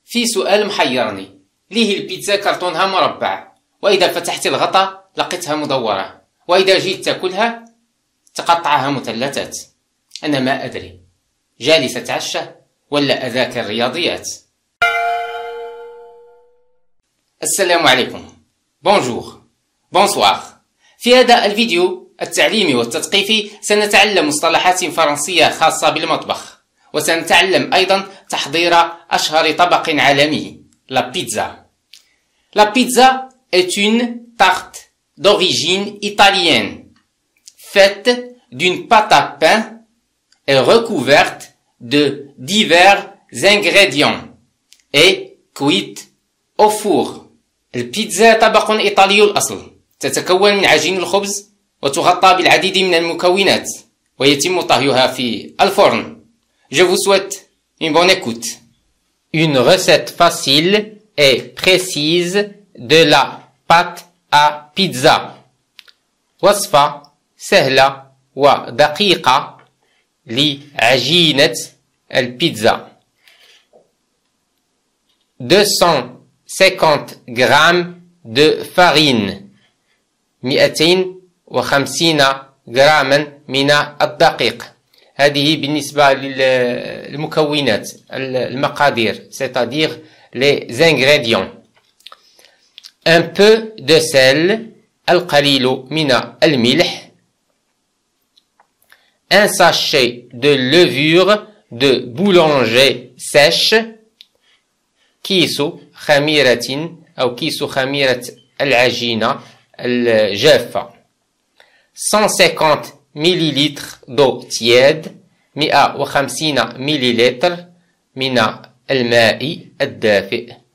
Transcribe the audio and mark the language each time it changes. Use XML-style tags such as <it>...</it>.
<ar>في سؤال محيرني، ليه البيتزا كرتونها مربع وإذا فتحت الغطاء لقيتها مدورة، وإذا جيت تأكلها تقطعها مثلثات؟ أنا ما أدري، جالس أتعشى ولا أذاكر الرياضيات؟ السلام عليكم،</ar> <fr>بونجور بونسوار.</fr> <ar>في هذا الفيديو التعليمي والتثقيفي سنتعلم مصطلحات فرنسية خاصة بالمطبخ، وسنتعلم أيضا تحضير أشهر طبق عالمي، لا بيتزا.</ar> <fr>لا بيتزا est une tarte d'origine italienne faite d'une pâte à pain et recouverte de divers ingrédients et cuite au four.</fr> <ar>البيتزا طبق إيطالي الأصل، تتكون من عجين الخبز وتغطى بالعديد من المكونات، ويتم طهيها في الفرن.</ar> <fr>Je vous souhaite une bonne écoute. Une recette facile et précise de la pâte à pizza.</fr> <ar>وصفة سهلة ودقيقة لعجينة البيتزا.</ar> <fr>250 grammes de farine. 250 grammes</fr> <ar>من الدقيق. هذه بالنسبة للمكونات المقادير،</ar> <fr>c'est-à-dire les ingrédients. Un peu de sel,</fr> <ar>القليل من الملح.</ar> <fr>Un sachet de levure de boulanger sèche.</fr> <ar>كيسو خميرة أو كيسو خميرة العجينة الجافة. 150 ملليلتر</ar> <fr>دو تياد،</fr> <ar>150 ملليلتر من الماء الدافئ.</ar>